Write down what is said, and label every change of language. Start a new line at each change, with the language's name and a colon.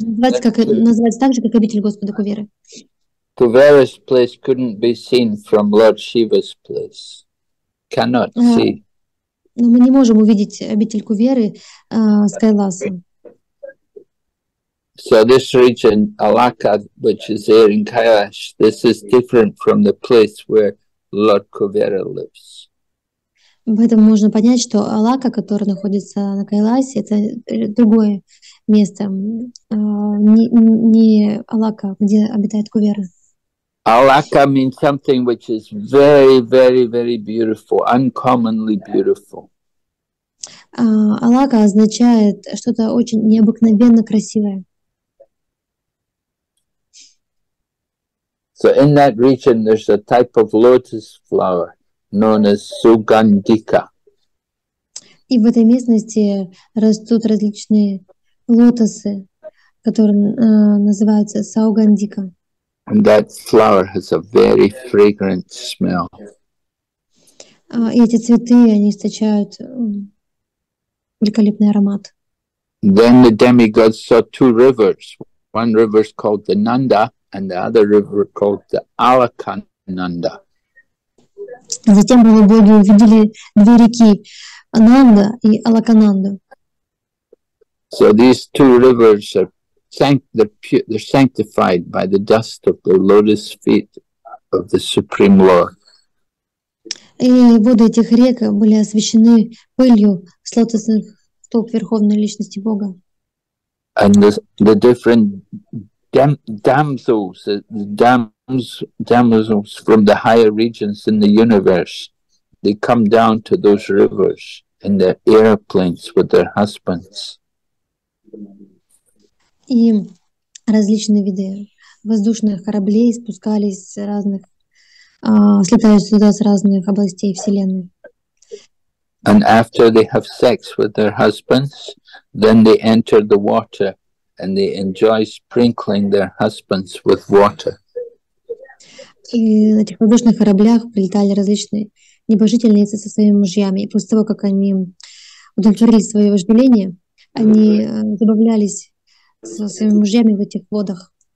Russian: Вернее, место называется так же, как обитель Господа Куверы.
English: Kuvera's place couldn't be seen from Lord Shiva's place. Cannot see.
Russian: Но мы не можем увидеть обитель Куверы с Кайласом.
English: So this region, Alaka, which is there in Kailash, this is different from the place where Lord Kuvera lives.
Russian: Поэтому можно понять, что Алака, которая находится на Кайласе, это другое место, не Алака, где обитает Кувера.
English: Alaka means something which is very, very, very beautiful, uncommonly beautiful.
Russian: Алака означает что-то очень необыкновенно красивое.
English: So in that region there's a type of lotus flower known as Sugandika.
Russian: И в этой местности растут различные лотосы, которые называются Саугандика.
English: And that flower has a very fragrant smell.
Russian: И эти цветы, они источают великолепный аромат.
English: Then the demigods saw two rivers. One river is called the Nanda, and the other river called the Alakananda.
Russian: Затем полубоги увидели две реки, Ананда и Алакананда.
English: So these two rivers are they're sanctified by the dust of the lotus feet of the Supreme Lord.
Russian: И воды этих рек были освящены пылью с лотосных стоп Верховной Личности Бога.
English: And the different damsels, damsels from the higher regions in the universe, they come down to those rivers in their airplanes with their husbands.
Russian: И различные виды воздушных кораблей спускались с разных, слетают сюда с разных областей Вселенной.
English: And after they have sex with their husbands, then they enter the water and they enjoy sprinkling their husbands with water.
Russian: И на этих воздушных кораблях прилетали различные небожительницы со своими мужьями. И после того, как они удовлетворили свое вожделение, они добавлялись со своими мужьями в этих водах.